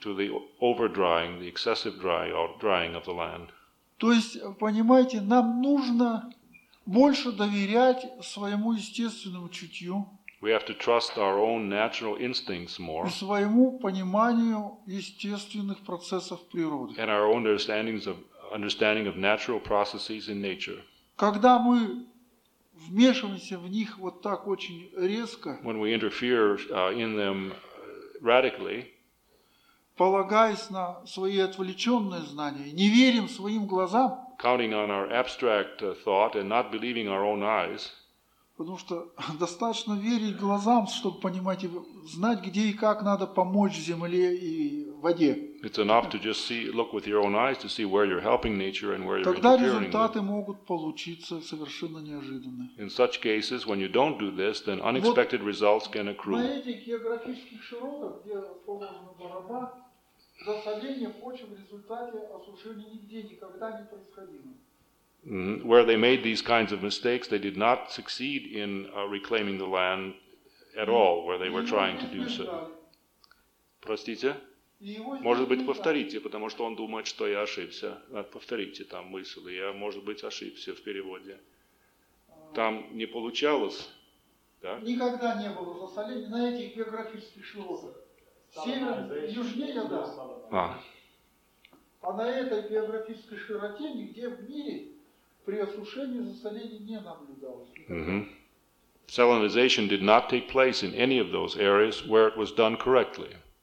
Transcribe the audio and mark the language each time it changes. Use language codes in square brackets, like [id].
[en] To the overdrying, the excessive drying of the land. [ru] То есть, понимаете, нам нужно больше доверять своему естественному чутью. [en] We have to trust our own natural instincts more. [ru] И своему пониманию естественных процессов природы. [en] And our own understanding of natural processes in nature. [ru] Когда мы вмешиваемся в них вот так очень резко, [en] when we interfere in them radically, [ru] полагаясь на свои отвлеченные знания, не верим своим глазам, [en] counting on our abstract thought and not believing our own eyes, [ru] потому что достаточно верить глазам, чтобы понимать и знать, где и как надо помочь земле и воде. [en] It's enough to just see, look with your own eyes to see where you're helping nature and where you're [ru] Тогда результаты могут получиться совершенно неожиданно. [en] In such cases, when you don't do this, then unexpected results can accrue. [ru] На этих географических широтах, где положена борода, засоление почвы в результате осушения нигде никогда не происходило. [en] where they made these kinds of mistakes, they did not succeed in reclaiming the land at all where they were trying to do so. [ru] Простите? Может быть, повторите, потому что он думает, что я ошибся. Повторите там мысль. Я, может быть, ошибся в переводе. Там не получалось, да? Никогда не было засоления на этих географических широтах. Север, южнее, да. А на этой географической широте нигде в мире при осушении засоления не наблюдалось. [en] Salinization did not take place in any of those areas where it was done correctly.